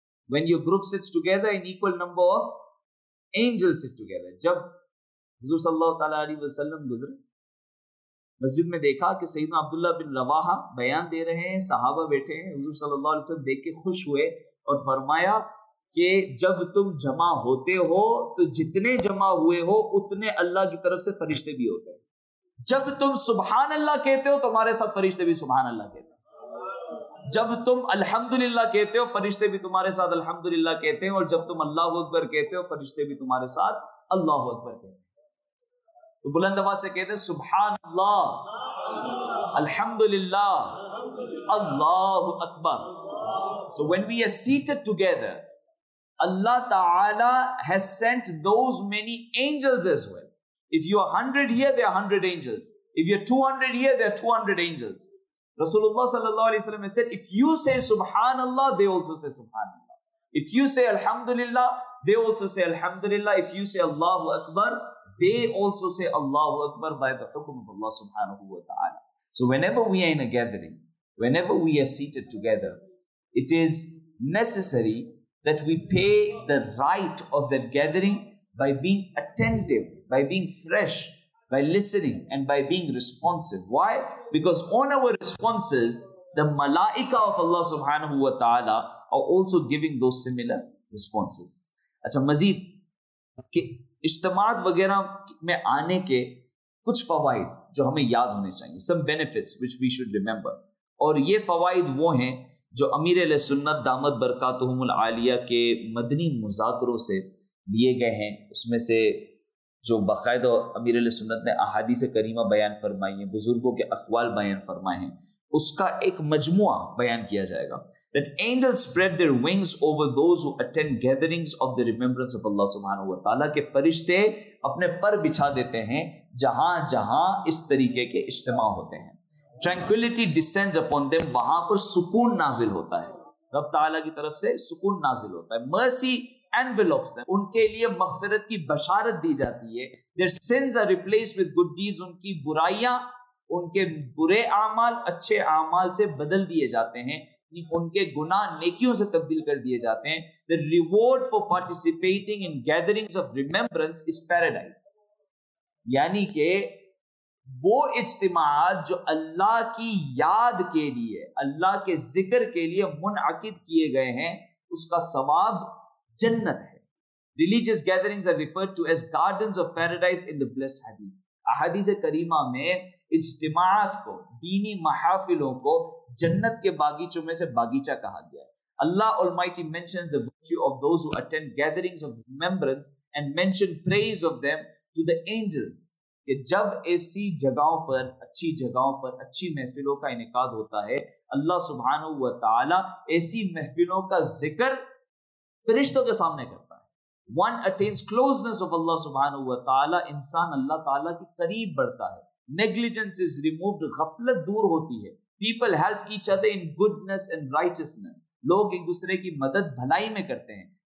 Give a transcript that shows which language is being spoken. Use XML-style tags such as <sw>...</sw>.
<en>When your group sits together, an equal number of angels sit together.</en> <ur>Jab حضور صلی اللہ تعالیٰ علیہ وسلم گزرے مسجد میں, دیکھا کہ سیدنا عبداللہ بن رواحہ بیان دے رہے ہیں, صحابہ بیٹھے ہیں. حضور صلی اللہ علیہ وسلم دیکھ کے خوش ہوئے اور فرمایا کہ جب تم جمع ہوتے ہو تو جتنے جمع ہوئے ہو اتنے اللہ کی طرف سے فرشتے بھی ہوتے ہیں, جب تم سبحان اللہ کہتے ہو تمہارے ساتھ فرشتے بھی سبحان اللہ کہتے ہیں, جب تم الحمدللہ کہتے ہو فرشتے بھی تمہارے ساتھ الحمدللہ کہتے ہیں, اور جب تم اللہ اکبر کہتے ہو فرشتے بھی تمہارے ساتھ اللہ اکبر کہتے ہیں. تو بلند آواز سے کہتے ہیں سبحان اللہ, الحمدللہ, اللہ اکبر.</ur> <en>So when we are seated together, Allah Ta'ala has sent those many angels as well. If you are 100 here, there are 100 angels. If you are 200 here, there are 200 angels. Rasulullah sallallahu alayhi wa sallam has said, if you say سبحان اللہ, they also say سبحان اللہ. If you say الحمدللہ, they also say الحمدللہ. If you say اللہ اکبر, they also say Allahu Akbar by the hukum of Allah subhanahu wa ta'ala. So whenever we are in a gathering, whenever we are seated together, it is necessary that we pay the right of that gathering by being attentive, by being fresh, by listening, and by being responsive. Why? Because on our responses, the malaika of Allah subhanahu wa ta'ala are also giving those similar responses.</en> <ur>Acha mazid, okay. اجتماعات وغیرہ میں آنے کے کچھ فوائد جو ہمیں یاد ہونے چاہیے,</ur> <en>Some benefits which we should remember.</en> <ur>اور یہ فوائد وہ ہیں جو امیر علیہ سنت دامت برکاتہم العالیہ کے مدنی مذاکروں سے لیے گئے ہیں, اس میں سے جو باقاعدہ امیر علیہ سنت نے احادیث کریمہ بیان فرمائی ہیں, بزرگوں کے اقوال بیان فرمائے ہیں, اس کا ایک مجموعہ بیان کیا جائے گا.</ur> <en>That angels spread their wings over those who attend gatherings of the remembrance of Allah subhanahu wa ta'ala.</en> <ur>کہ فرشتے اپنے پر بچھا دیتے ہیں جہاں جہاں اس طریقے کے اجتماع ہوتے ہیں.</ur> <en>Tranquility descends upon them,</en> <ur>وہاں پر سکون نازل ہوتا ہے, رب تعالیٰ کی طرف سے سکون نازل ہوتا ہے.</ur> <en>Mercy envelops them,</en> <ur>ان کے لیے مغفرت کی بشارت دی جاتی ہے.</ur> <en>Their sins are replaced with good deeds,</en> <ur>ان کی برائیاں ان کے برے اعمال اچھے اعمال سے بدل دیے جاتے ہیں, ان کے گناہ نیکیوں سے تبدیل کر دیے جاتے ہیں.</ur> <en>The reward for participating in gatherings of remembrance is paradise.</en> <ur>یعنی کہ وہ اجتماعات جو اللہ کی یاد کے لیے, اللہ کے ذکر کے لیے منعقد کیے گئے ہیں, اس کا ثواب جنت ہے.</ur> <en>Religious gatherings are referred to as gardens of paradise in the blessed hadith.</en> <ur>احادیث کریمہ میں اجتماعات کو, دینی محافلوں کو جنت کے باغیچوں میں سے باغیچہ کہا گیا ہے.</ur> <en>Allah Almighty mentions the virtue of those who attend gatherings of remembrance and mention praise of them to the angels.</en> <ur>کہ جب ایسی جگہوں پر, اچھی جگہوں پر, اچھی محفلوں کا انعقاد ہوتا ہے, اللہ سبحانہ و تعالی ایسی محفلوں کا ذکر فرشتوں کے سامنے کرتا ہے.</ur> <en>One attains closeness of Allah</en> <ur>سبحانہ و تعالی, انسان اللہ تعالی کی قریب بڑھتا ہے.</ur> <en>Negligence is removed,</en> <ur>غفلت دور ہوتی ہے.</ur> <en>People help each other in goodness and righteousness.</en> <ur>لوگ ایک دوسرے کی مدد بھلائی میں کرتے ہیں.</ur>